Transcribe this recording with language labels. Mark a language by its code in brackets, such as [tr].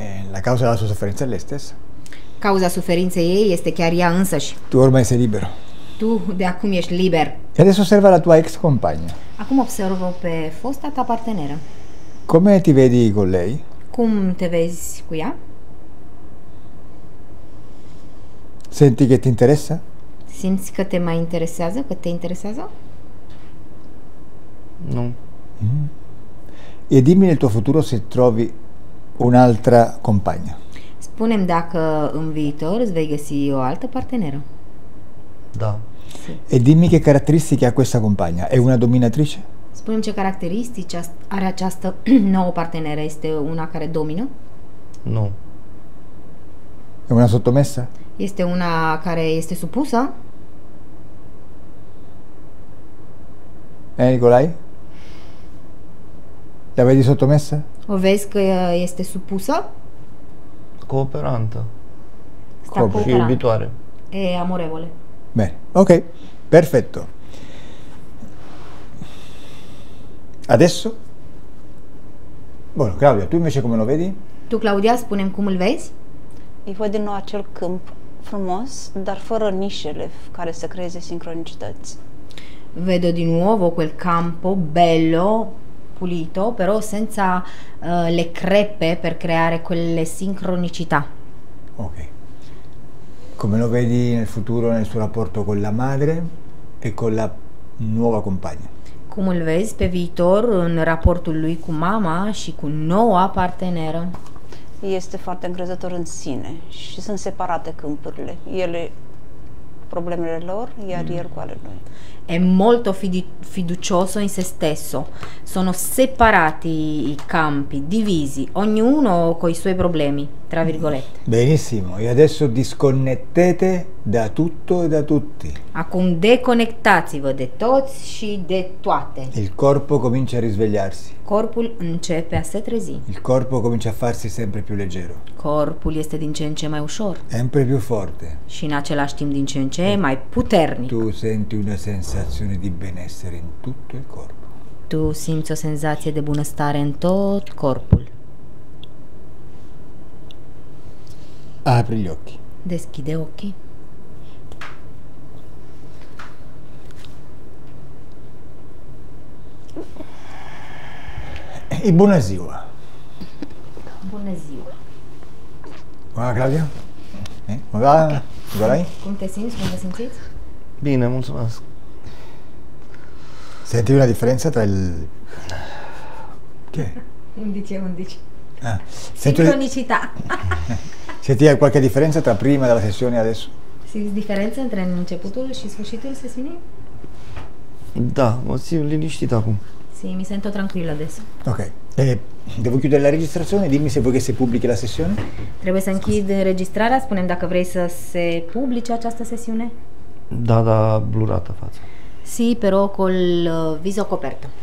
[it] La causa della sua sofferenza è lei stessa. [ro] Causa sofferenței ei este chiar ea însăși. [it] Tu ormai sei libero. [ro] Tu de acum ești liber. [it] E adesso osserva la tua ex compagna. [ro] Acum observo pe fosta ta parteneră. [it] Come ti vedi con lei? [ro] Cum te vezi cu ea? [it] Senti che ti interessa? [ro] Simți că te mai interesează, că te interesează? Nu. [it] E dimmi nel tuo futuro se trovi un'altra compagna. [ro] Spune-m dacă în viitor îți vei găsi o altă parteneră. Da. [it] E dimmi che caratteristiche ha questa compagna. È una dominatrice? [ro] Spune-mi ce caracteristici are această nouă parteneră. Este una care domină? Nu. [it] E una sottomessa? [ro] Este una care este supusă? [it] E Nicolai? La vedi sottomessa? [ro] O vezi că este supusă? Cooperantă. Sta cooperantă. Și iubitoare. [it] E amorevole. Bene, ok, perfetto. Adesso? Bueno, Claudia, tu invece come lo vedi? [ro] Tu, Claudia, spune-mi cum îl vezi? Îi văd din nou acel câmp frumos, dar fără nișele care să creeze sincronicități. [it] Vedo [ro] din nou [it] quel campo bello, pulito, però senza le crepe per creare quelle sincronicità. Ok. Come lo vedi nel futuro nel suo rapporto con la madre e con la nuova compagna? [ro] Cum îl vezi pe viitor în raportul lui cu mama și cu noua parteneră? Este foarte încrezător în sine și sunt separate câmpurile. Ele problemele lor, iar el cu ale lui. [it] È molto fiducioso in se stesso. Sono separati i campi, divisi, ognuno coi suoi problemi, tra virgolette. Benissimo, e adesso disconnettete da tutto e da tutti. [ro] Acum deconectați-vă de toți și de toate. [it] Il corpo comincia a risvegliarsi. [ro] Corpul începe a se trezi. [it] Il corpo comincia a farsi sempre più leggero. [ro] Corpul este din ce în ce mai ușor. [it] Sempre più forte. [ro] Și în același timp din ce în ce mai puternic. [it] Tu senti una sensazione di benessere in tutto il corpo. [ro] Tu simți o senzație de bunăstare în tot corpul. [it] Apri gli occhi. [ro] Deschide ochii. E buona ziua. Buona ziua. [it] Buona Claudia. Come va? Okay. [ro] Come te simți? Come te simțiți? Bine, mulțumesc. [it] Senti una differenza tra il... Che? 11:11. Sincronicità. Senti qualche differenza tra prima della sessione e adesso? Sì, differenza tra [ro] începutul și sfârșitul sesiunii? Da, mă simt liniștit acum. [it] Sì, mi sento tranquillo adesso. Ok. Devo chiudere la registrazione, dimmi se vuoi che si pubblichi la sessione. [ro] Trebuie să închid înregistrarea, spune-mi dacă vrei să se publice această sesiune. Da, da, blurată față. [it] Sì, però col viso coperto.